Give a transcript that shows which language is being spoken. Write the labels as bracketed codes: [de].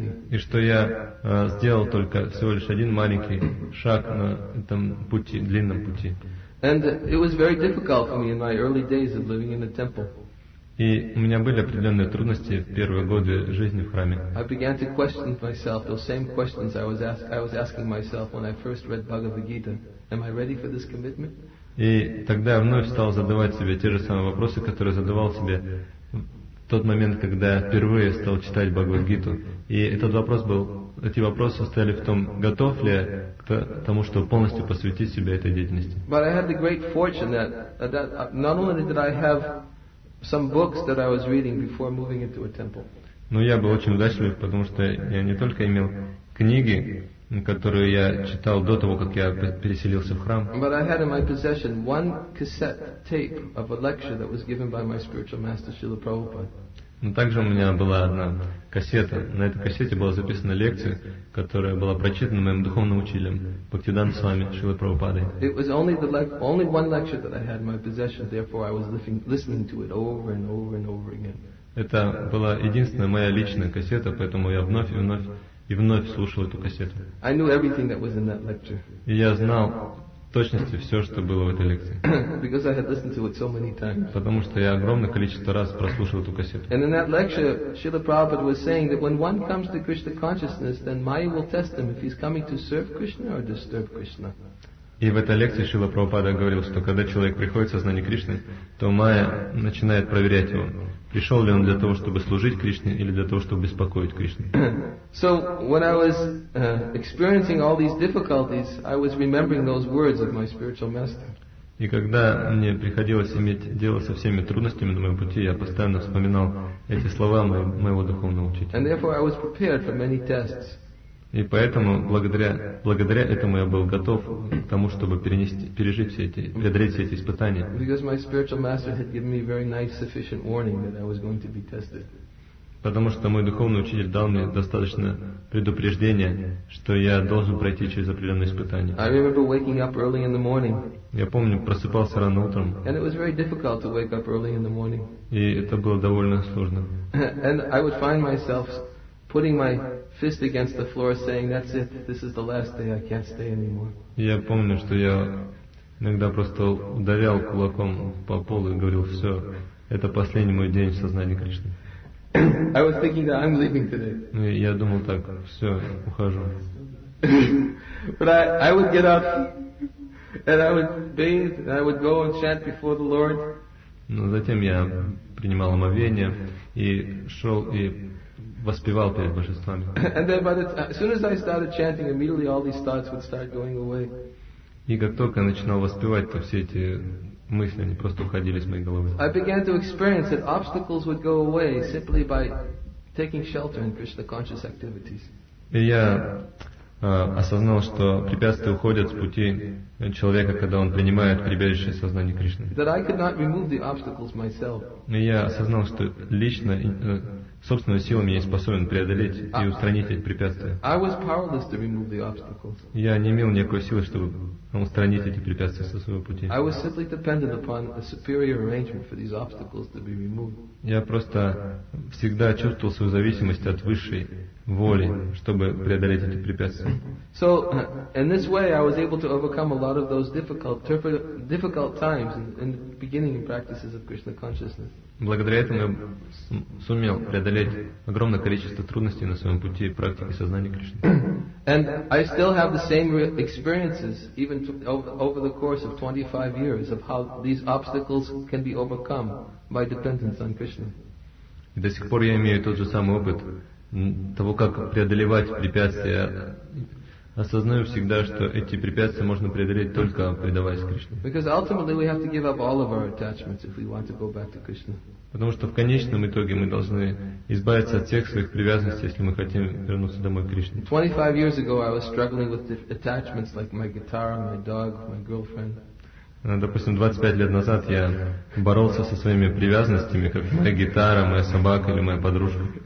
[ru] И что я сделал только всего лишь один маленький шаг на этом пути, длинном пути. И у меня были определенные трудности в первые годы жизни в храме. [en] I began to question myself those same questions I was asking myself when I first read Bhagavad Gita. Am I ready for this commitment? [ru] И тогда я вновь стал задавать себе те же самые вопросы, которые задавал себе в тот момент, когда я впервые стал читать Бхагавад Гиту. И этот вопрос был, эти вопросы состояли в том, готов ли я к тому, чтобы полностью посвятить себя этой деятельности. [en] But I had the great fortune that not only did I have some books that I was reading before moving into a temple. [ru] Но я был очень удачлив, потому что я не только имел книги, которую я читал до того, как я переселился в храм. [en] But I had in my possession one cassette tape of a lecture that was given by my spiritual master Srila Prabhupada. [ru] Но также у меня была одна кассета. На этой кассете была записана лекция, которая была прочитана моим духовным учителем Бхактидан с вами Шрила Прабхупадой. [en] It was only one lecture that I had in my possession, therefore I was listening to it over and over and over again. [ru] Это была единственная моя личная кассета, поэтому я вновь и вновь и вновь слушал эту кассету. [en] I knew everything that was in that lecture. [ru] И я знал в точности все, что было в этой лекции. [en] Because I had listened to it so many times. [ru] Потому что я огромное количество раз прослушал эту кассету. [en] And in that lecture, Srila Prabhupada was saying that when one comes to Krishna consciousness, then Maya will test him if he's coming to serve Krishna or disturb Krishna. [ru] И в этой лекции Шрила Прабхупада говорил, что когда человек приходит в сознание Кришны, то Майя начинает проверять его, пришел ли он для того, чтобы служить Кришне или для того, чтобы беспокоить Кришну. [en] So when I was experiencing all these difficulties, I was remembering those words of my spiritual master. [ru] И когда мне приходилось иметь дело со всеми трудностями на моем пути, я постоянно вспоминал эти слова моего духовного учителя. [en] And therefore I was prepared for many tests. [ru] И поэтому, благодаря этому, я был готов к тому, чтобы преодолеть все эти испытания. [en] Because my spiritual master had given me very nice sufficient warning that I was going to be tested. [ru] Потому что мой духовный учитель дал мне достаточно предупреждения, что я должен пройти через определенные испытания. [en] I remember waking up early in the morning. [ru] Я помню, просыпался рано утром. [en] And it was very difficult to wake up early in the morning. [ru] И это было довольно сложно. [en] And I would find myself putting my fist against the floor, saying, "That's it. This is the last day. I can't stay anymore." [ru] Я помню, что я иногда просто ударял кулаком по полу и говорил, "Все, это последний мой день в сознании Кришны." [en] I was thinking that I'm leaving today. [ru] Я думал так: "Все, ухожу." [en] But I would get up and I would bathe and I would go and chant before the Lord. [ru] Но затем я принимал омовение и шел и воспевал перед божествами. [en] And then as soon as I started chanting, immediately all these thoughts would start going away. [ru] И как только я начинал воспевать, то все эти мысли, они просто уходили из моей головы. [en] I began to experience that obstacles would go away simply by taking shelter in Krishna conscious activities. [ru] И я осознал, что препятствия уходят с пути человека, когда он принимает прибежище сознания Кришны. [en] That I could not remove the obstacles myself. [ru] И я осознал, что лично собственными силами я не способен преодолеть и устранить эти препятствия. [en] I was powerless to remove the obstacles. [ru] Я не имел никакой силы, чтобы устранить эти препятствия со своего пути. [en] I was simply dependent upon a superior arrangement for these obstacles to be removed. [ru] Я просто всегда чувствовал свою зависимость от высшей воли, чтобы преодолеть эти препятствия. [en] So, in this way, I was able to overcome a lot of those difficult times in the beginning practices of Krishna consciousness. [ru] Благодаря этому я сумел преодолеть огромное количество трудностей на своем пути практики сознания Кришны. [en] And I still have the same experiences even over the course of 25 years of how these obstacles can be overcome by dependence on Krishna. [ru] И до сих пор я имею тот же самый опыт того, как преодолевать препятствия. Осознаю всегда, что эти препятствия можно преодолеть только предаваясь Кришне. [en] Because ultimately we have to give up all of our attachments if we want to go back to Krishna. [ru] Потому что в конечном итоге мы должны избавиться от всех своих привязанностей, если мы хотим вернуться домой к Кришне. [en] 25 years ago I was struggling with attachments like my guitar, my dog, my girlfriend. [ru] Допустим, 25 лет назад я боролся со своими привязанностями, как моя гитара, моя собака или моя подружка.